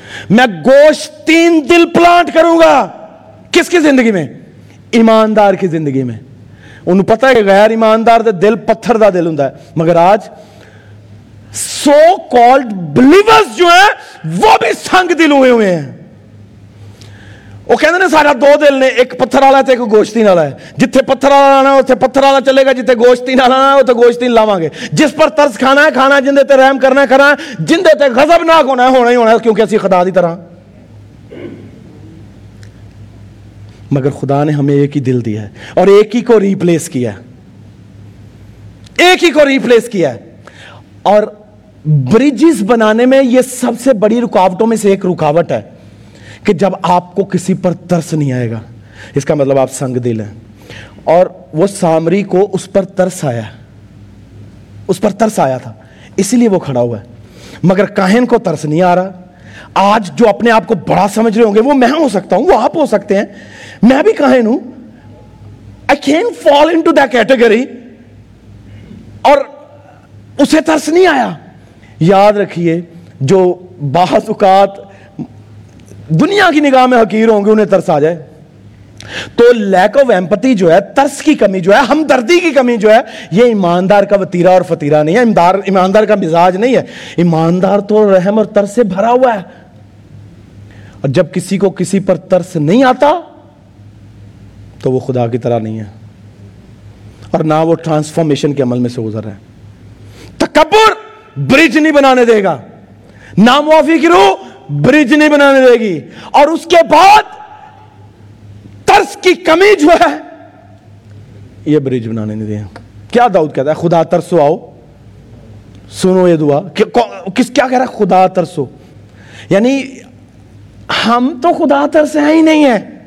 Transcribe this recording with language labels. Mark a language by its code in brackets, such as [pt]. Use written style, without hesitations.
[ur] میں گوشتین دل پلانٹ کروں گا. کس کی زندگی میں؟ ایماندار کی زندگی میں. انہوں پتا ہے کہ غیر ایماندار دے دل پتھر دا دل ہوتا ہے, مگر آج سو کالڈ بلیورز جو ہیں وہ بھی سنگ دل ہوئے ہوئے ہیں. [pa] وہ کہتے ہیں سارا دو دل نے, ایک پتھر والا ہے تے ایک گوشتین والا ہے. جتھے پتھر والا آنا اتھے پتھر والا چلے گا, جتھے گوشتین والا آنا اتھے گوشتین لاواں گے. جس پر ترس کھانا ہے کھانا, جن دے تے رحم کرنا ہے کرنا, جن دے تے غضب ناک ہونا ہے ہونا ہی ہونا ہے, کیونکہ اسی خدا دی طرح. [ur] مگر خدا نے ہمیں ایک ہی دل دیا ہے اور ایک ہی کو ریپلیس کیا ہے, ایک ہی کو ریپلیس کیا ہے. اور بریجز بنانے میں یہ سب سے بڑی رکاوٹوں میں سے ایک رکاوٹ ہے کہ جب آپ کو کسی پر ترس نہیں آئے گا, اس کا مطلب آپ سنگ دل ہیں. اور وہ سامری کو اس پر ترس آیا, اس پر ترس آیا تھا, اس لیے وہ کھڑا ہوا ہے. مگر کاہن کو ترس نہیں آ رہا. آج جو اپنے آپ کو بڑا سمجھ رہے ہوں گے, وہ میں ہو سکتا ہوں, وہ آپ ہو سکتے ہیں, میں بھی کاہن ہوں. [en] I can't fall into that category. [ur] اور اسے ترس نہیں آیا. یاد رکھیے, جو بعض اوقات دنیا کی نگاہ میں حقیر ہوں گے انہیں ترس آ جائے. تو [en] lack of empathy [ur] جو ہے, ترس کی کمی جو ہے, ہمدردی کی کمی جو ہے, یہ ایماندار کا وتیرا اور فتیرا نہیں ہے, ایماندار کا مزاج نہیں ہے. ایماندار تو رحم اور ترس سے بھرا ہوا ہے. اور جب کسی کو کسی پر ترس نہیں آتا تو وہ خدا کی طرح نہیں ہے, اور نہ وہ ٹرانسفارمیشن کے عمل میں سے گزر رہے ہیں. تکبر بریج نہیں بنانے دے گا, نامعافی کی روح بریج نہیں بنانے دے گی. اور اس کے بعد ترس کی کمی جو ہے یہ بریج بنانے نہیں دے گا. کیا داؤد کہتا ہے؟ خدا ترسو آؤ, سنو یہ دعا. کس کیا کہہ رہا ہے؟ خدا ترسو. یعنی ہم تو خدا ترس ہیں ہی نہیں ہیں.